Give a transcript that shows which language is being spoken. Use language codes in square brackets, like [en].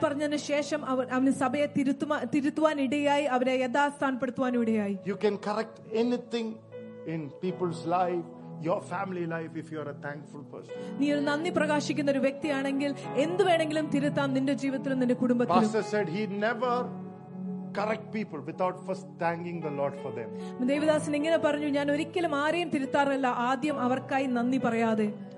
[ml] പറഞ്ഞതിന് ശേഷം അവന് സഭയെ തിരുത്തുവാൻ ഇടയായി, അവരെ യഥാസ്ഥാനപ്പെടുത്തുവാനും ഇടയായി. [en] You can correct anything in people's life, your family life, if you are a thankful person. [ml] നീ ഒരു നന്ദി പ്രകാശിക്കുന്ന ഒരു വ്യക്തിയാണെങ്കിൽ എന്ത് വേണമെങ്കിലും തിരുത്താം നിന്റെ ജീവിതത്തിലും നിന്റെ കുടുംബത്തിലും. [en] Pastor said he never correct people without first thanking the Lord for them. [ml] Devadasan ഇങ്ങനെ പറഞ്ഞു, ഞാൻ ഒരിക്കലും ആരെയും തിരുത്താറില്ല ആദ്യം അവർക്കായി നന്ദി പറയാതെ.